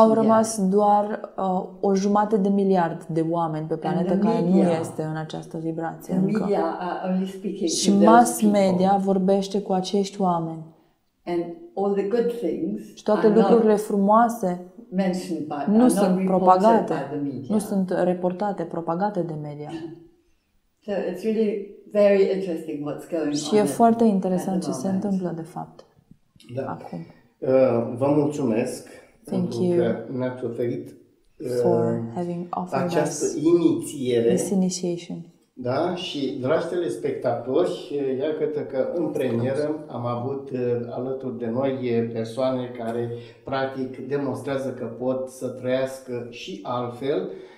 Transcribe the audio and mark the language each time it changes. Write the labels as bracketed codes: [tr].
[ro] Au rămas doar o jumătate de miliard de oameni pe planetă care nu este în această vibrație încă. [en] Media are only speaking [ro] și mass media vorbește cu acești oameni. [en] And all the good things [ro] și toate lucrurile frumoase nu sunt propagate, nu sunt reportate, propagate de media. [en] So it's really very interesting what's going on. [ro] Și e foarte interesant ce se întâmplă de fapt. Da. Acum. Vă mulțumesc [en] thank [ro] pentru [en] you [ro] că ne-ați oferit [en] for having offered [ro] această inițiere. [en] This initiation. [ro] Da, și dragi telespectatori, iată că în premieră am avut alături de noi persoane care practic demonstrează că pot să trăiască și altfel.